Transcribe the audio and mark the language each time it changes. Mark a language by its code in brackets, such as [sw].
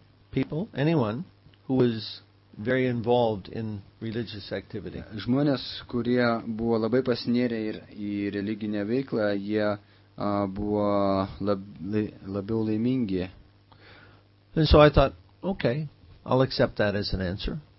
[en] people, anyone who was very involved in religious activity. [lt] Žmonės, kurie buvo labai pasinėrę ir į religinę veiklą, jie buvo labiau laimingi. [en] And so I thought, okay, I'll accept that as an answer.